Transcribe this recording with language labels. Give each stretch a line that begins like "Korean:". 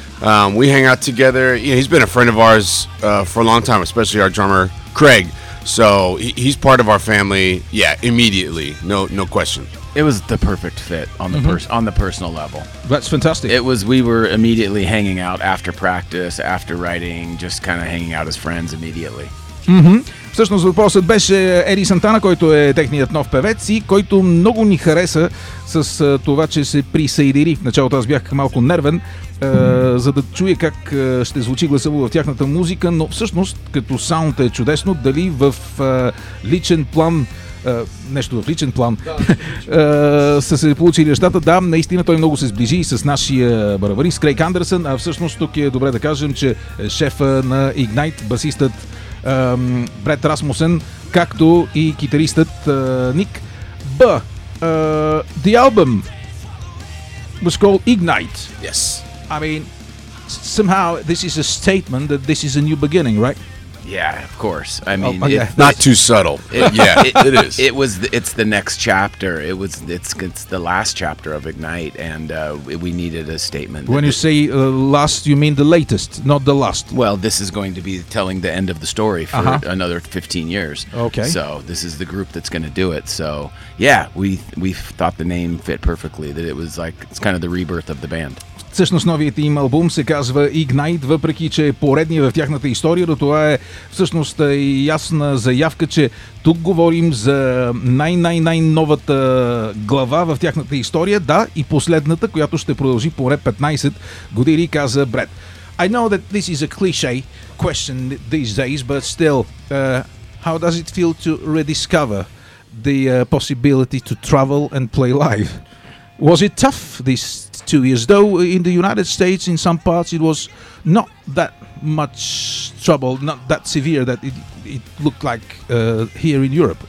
English: We hang out together. You know, he's been a friend of ours for a long time, especially our drummer, Craig. So he's part of our family, yeah, immediately. No question. It was the perfect fit on the on the personal level. That's fantastic. We were immediately hanging out after practice, after writing, just kind of hanging out as friends immediately. Mm-hmm.
Bulgarian: Всъщност въпросът беше Ели Сантана, който е техният нов певец и който много ни хареса с това, че се присъедини. В началото аз бях малко нервен, за да чуя как ще звучи гласово в тяхната музика, но всъщност като саунд е чудесно, дали в личен план... нещо в личен план са се получили нещата. Да, наистина той много се сближи с нашия барабарист Крейг Андерсън, а всъщност тук е добре да кажем, че шефа на Ignite, басистът Брет Расмусен, както и китаристът Ник.
English: The album was called Ignite. Yes. I mean, somehow this is a statement that this is a new beginning, right? Yeah, of course. I mean, not too subtle. It is. It's the next chapter. It's the last chapter of Ignite, and we needed a statement. When you say last, you mean the latest, not the last. Well, this is going to be telling the end of the story for another 15 years. Okay. So this is the group that's going to do it. So yeah, we thought the name fit perfectly. That it was like it's kind of the rebirth of the band.
Bulgarian: Всъщност новият им албум се казва Ignite, въпреки че е поредния в тяхната история, но това е всъщност ясна заявка, че тук говорим за най-новата глава в тяхната история, да, и последната, която ще продължи поред 15 години, каза Бред.
English: I know that this is a cliche question these days, but still, how does it feel to rediscover the possibility to travel and play live? Was it tough these 2 years? Though in the United States, in some parts, it was not that much trouble, not that severe that it looked like here in Europe.